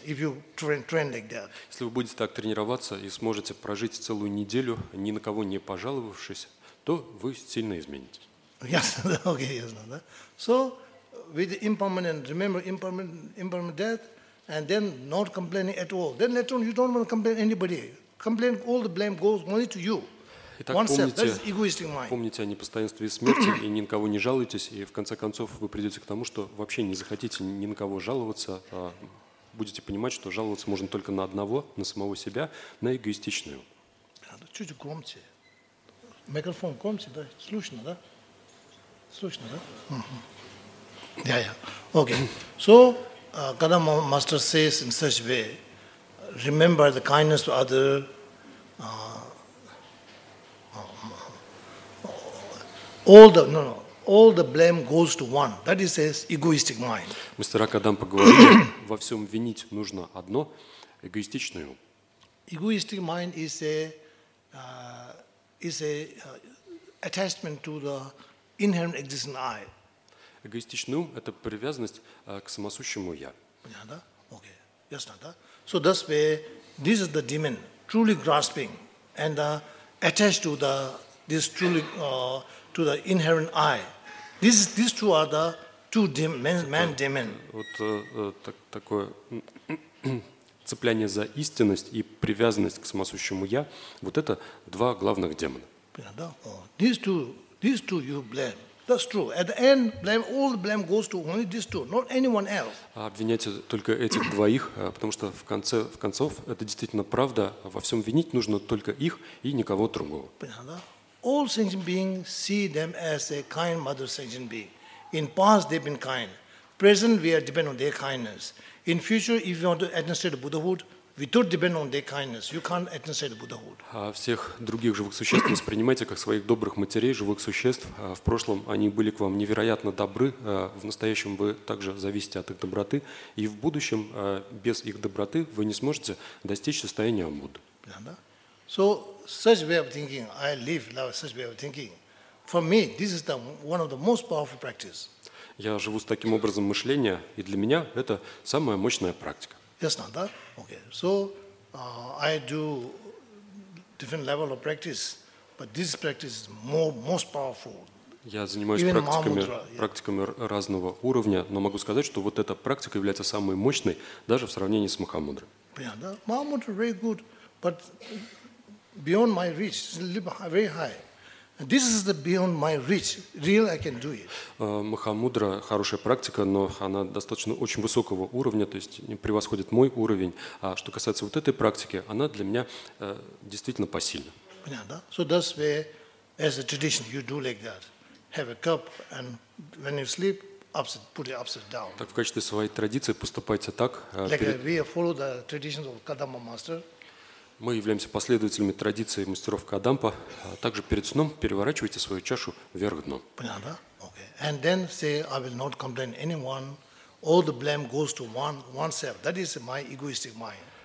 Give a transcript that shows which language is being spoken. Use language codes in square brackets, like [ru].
[en] If you train like that. [ru] Если вы будете так тренироваться и сможете прожить целую неделю ни на кого не пожаловавшись, то вы сильно изменитесь. Ясно, да? Okay, ясно, да? [en] So with the impermanent, remember impermanent death, and then not complaining at all. Then later on, you don't want to complain anybody. Complain, all the blame goes only to you. [ru] Итак, помните о непостоянстве смерти и ни на кого не жалуйтесь, и в конце концов вы придете к тому, что вообще не захотите ни на кого жаловаться, а будете понимать, что жаловаться можно только на одного, на самого себя, на эгоистичную. Чуть громче. Микрофон громче, да? Слышно, да? Слышно, да? Yeah. Okay. [en] So, [ru] когда мастер [en] says in such a way, remember the kindness of other. All the blame goes to one. That is his egoistic mind. [ru] Мистер Акадам поговорил, во всем винить нужно одно, эгоистичную. [en] Egoistic mind is a attachment to the inherent existing I. [ru] Эгоистичный ум – это привязанность к самосущему я. Понятно, да? Okay. Ясно, да? [en] So that's where this is the demon truly grasping and attached to the inherent I. These two are the two man demon. [ru] Вот такое цепляние за истинность и привязанность к самосущему я. Вот это два главных демона. Понятно, да? [en] These two you blame. That's true. At the end, all the blame goes to only these two, not anyone else. [ru] Обвиняйте только этих двоих, потому что в конце концов это действительно правда. Во всем винить нужно только их и никого другого. [en] All sentient beings see them as a kind mother sentient being. In past they've been kind. Present we are dependent on their kindness. In future, if you want to attain Buddhahood, we do depend on their kindness. You can't attain the Buddhahood. [ru] А всех других живых существ воспринимайте как своих добрых матерей, живых существ. В прошлом они были к вам невероятно добры. В настоящем вы также зависите от их доброты. И в будущем без их доброты вы не сможете достичь состояния Будды. [en] So such way of thinking, I live now such way of thinking. For me, this is one of the most powerful practice. [ru] Я живу с таким образом мышления, и для меня это самая мощная практика. Ясно, да? Okay. [en] So I do different level of practice, but this practice is most powerful. [ru] Я занимаюсь практиками разного уровня, но могу сказать, что вот эта практика является самой мощной, даже в сравнении с Махамудрой. Понятно, да? [en] Махамудра very good, but beyond my reach, very high. This is the beyond my reach. Really, I can do it. [ru] Махамудра – хорошая практика, но она достаточно очень высокого уровня, то есть превосходит мой уровень. А что касается вот этой практики, она для меня действительно посильна. Понятно. [en] So that's where, as a tradition, you do like that. Have a cup, and when you sleep, upside, put it upside down. [ru] Так в качестве своей традиции поступайте так. [en] We follow the traditions of Kadampa master. [ru] Мы являемся последователями традиции мастеров Кадампа. Также перед сном переворачивайте свою чашу вверх дном. Понятно? Okay. [en] And then say, I will not complain anyone. All the blame goes to oneself. That is my egoistic mind.